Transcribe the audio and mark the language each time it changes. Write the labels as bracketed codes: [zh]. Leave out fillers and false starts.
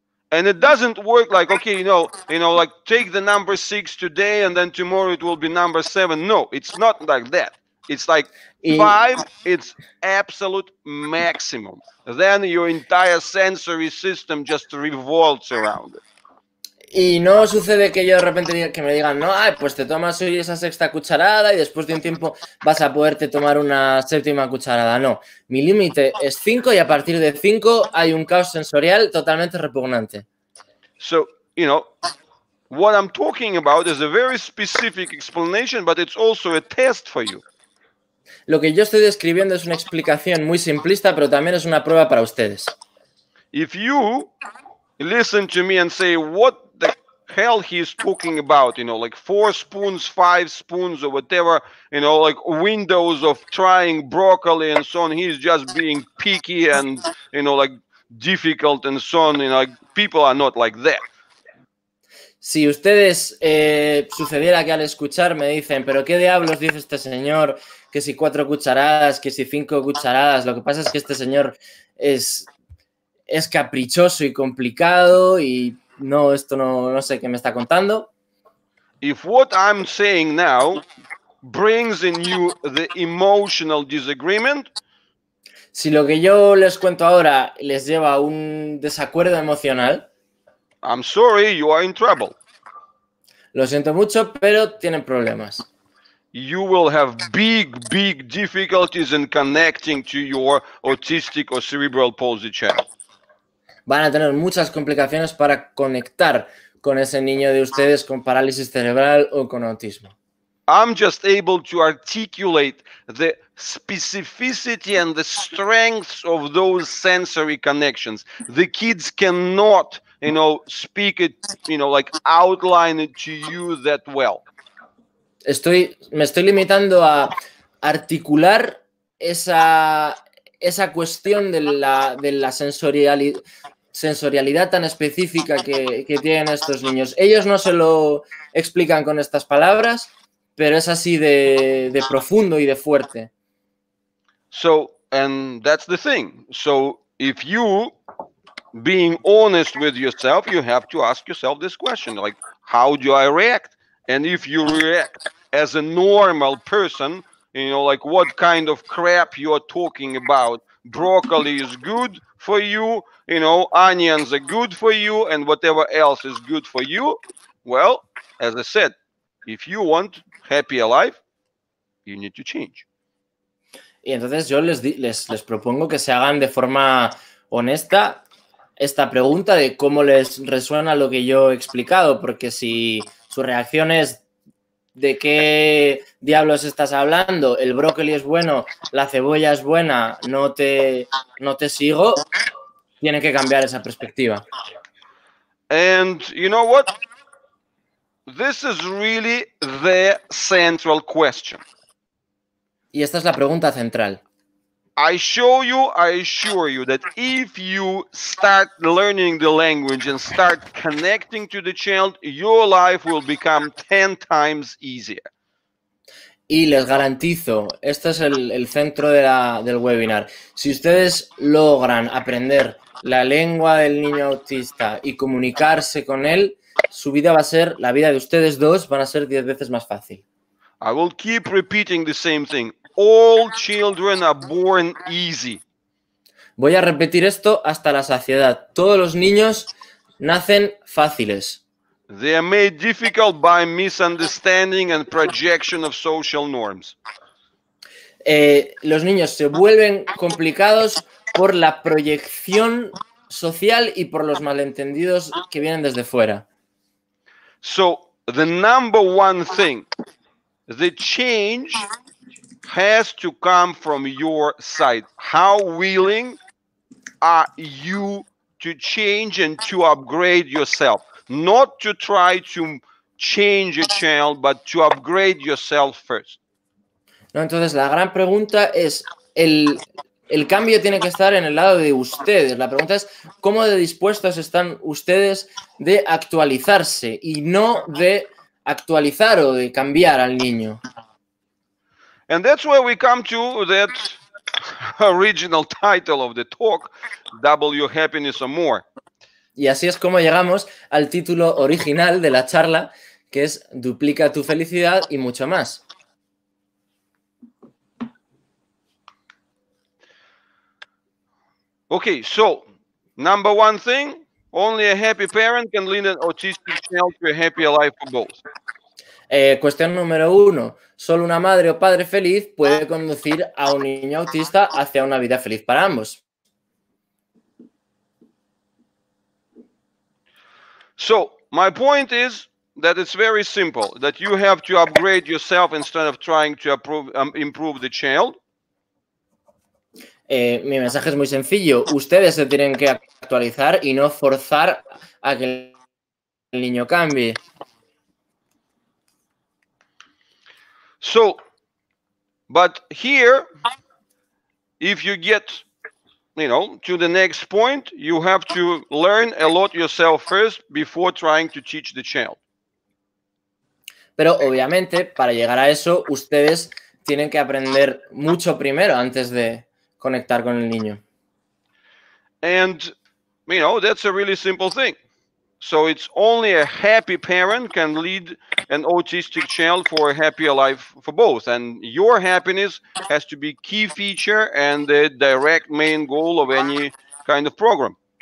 [en] And it doesn't work like, okay, you know, like take the number 6 today and then tomorrow it will be number 7. No, it's not like that. It's like 5, it's absolute maximum. Then your entire sensory system just revolts around it. [es] Y no sucede que yo de repente diga, que me digan, no, ay, pues te tomas hoy esa sexta cucharada y después de un tiempo vas a poderte tomar una séptima cucharada. No, mi límite es 5 y a partir de 5 hay un caos sensorial totalmente repugnante. [en] So, you know, what I'm talking about is a very specific explanation, but it's also a test for you. [es] Lo que yo estoy describiendo es una explicación muy simplista, pero también es una prueba para ustedes. [en] If you listen to me and say, what hell he is talking about, you know, like 4 spoons, 5 spoons or whatever, you know, like windows of trying broccoli and so on, he's just being picky and, you know, like difficult and so on, you know, like people are not like that. [es] Si ustedes sucediera que al escuchar me dicen, pero qué diablos dice este señor, que si cuatro cucharadas, que si cinco cucharadas, lo que pasa es que este señor es caprichoso y complicado y no, esto no sé qué me está contando. [en] If what I'm saying now brings in you the emotional disagreement. [es] Si lo que yo les cuento ahora les lleva a un desacuerdo emocional. [en] I'm sorry, you are in trouble. [es] Lo siento mucho, pero tienen problemas. [en] You will have big, big difficulties in connecting to your autistic or cerebral palsy child. [es] Van a tener muchas complicaciones para conectar con ese niño de ustedes con parálisis cerebral o con autismo. [en] I'm just able to articulate the specificity and the strengths of those sensory connections. The kids cannot, you know, speak it, you know, like outline it to you that well. [es] Me estoy limitando a articular esa cuestión de la sensorialidad tan específica que tienen estos niños. Ellos no se lo explican con estas palabras, pero es así de profundo y de fuerte. [en] So, and that's the thing. So, if you being honest with yourself, you have to ask yourself this question, like, how do I react? And if you react as a normal person, you know, like, what kind of crap you are talking about? Broccoli is good for you, you know, onions are good for you, and whatever else is good for you. Well, as I said, if you want happier life, you need to change. [es] Y entonces yo les propongo que se hagan de forma honesta esta pregunta de cómo les resuena lo que yo he explicado, porque si su reacción es de qué diablos estás hablando, el brócoli es bueno, la cebolla es buena, no te sigo, tienen que cambiar esa perspectiva. [en] And you know what? This is really the central question. [es] Y esta es la pregunta central. [en] I show you, I assure you that if you start learning the language and start connecting to the child, your life will become 10 times easier. [es] Y les garantizo, este es el centro del webinar. Si ustedes logran aprender la lengua del niño autista y comunicarse con él, su vida va a ser, la vida de ustedes dos van a ser 10 veces más fácil. [en] I will keep repeating the same thing. All children are born easy. [es] Voy a repetir esto hasta la saciedad. Todos los niños nacen fáciles. [en] They are made difficult by misunderstanding and projection of social norms. [es] Los niños se vuelven complicados por la proyección social y por los malentendidos que vienen desde fuera. [en] So, the number one thing, the change has to come from your side. How willing are you to change and to upgrade yourself? Not to try to change a child, but to upgrade yourself first. [es] No, entonces la gran pregunta es, el cambio tiene que estar en el lado de ustedes. La pregunta es, ¿cómo de dispuestos están ustedes de actualizarse y no de actualizar o de cambiar al niño? [en] And that's where we come to that original title of the talk, Double Your Happiness or More. [es] Y así es como llegamos al título original de la charla, que es Duplica tu felicidad y mucho más. [en] Okay, so, number one thing, only a happy parent can lead an autistic child to a happier life for both. [es] Cuestión número uno, solo una madre o padre feliz puede conducir a un niño autista hacia una vida feliz para ambos. [en] So, my point is that it's very simple, that you have to upgrade yourself instead of trying to improve the child. [es] Mi mensaje es muy sencillo, ustedes se tienen que actualizar y no forzar a que el niño cambie. [en] So, but here, if you get you know, to the next point, you have to learn a lot yourself first before trying to teach the child. Pero obviamente, para llegar a eso, ustedes tienen que aprender mucho primero antes de conectar con el niño. And, you know, that's a really simple thing. So it's only a happy parent can lead an autistic child for a happier life for both. And your happiness has to be key feature and the direct main goal of any kind of program.